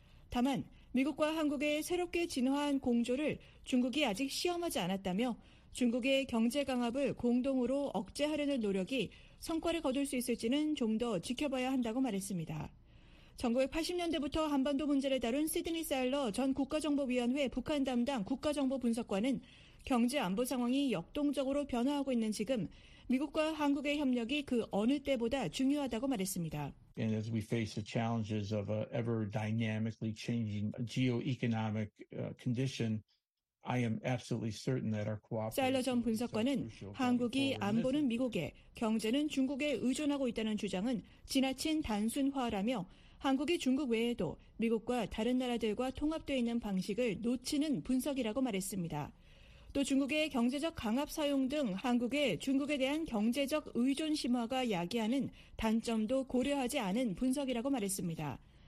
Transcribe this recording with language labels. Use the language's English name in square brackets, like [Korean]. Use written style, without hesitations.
[Korean] 다만 미국과 한국의 새롭게 진화한 공조를 중국이 아직 시험하지 않았다며 중국의 경제 강압을 공동으로 억제하려는 노력이 성과를 거둘 수 있을지는 좀 더 지켜봐야 한다고 말했습니다. 1980년대부터 한반도 문제를 다룬 시드니 사일러 전 국가정보위원회 북한 담당 국가정보분석관은 경제 안보 상황이 역동적으로 변화하고 있는 지금 미국과 한국의 협력이 그 어느 때보다 중요하다고 말했습니다. [English] And as we face the challenges of an ever dynamically changing geo-economic condition, I am absolutely certain that our cooperation. [Korean] 사일러 전 분석관은 한국이 안보는 미국에, 경제는 중국에 의존하고 있다는 주장은 지나친 단순화라며 한국이 중국 외에도 미국과 다른 나라들과 통합되어 있는 방식을 놓치는 분석이라고 말했습니다. 또 중국의 경제적 강압 사용 등 한국의 중국에 대한 경제적 의존 심화가 야기하는 단점도 고려하지 않은 분석이라고 말했습니다.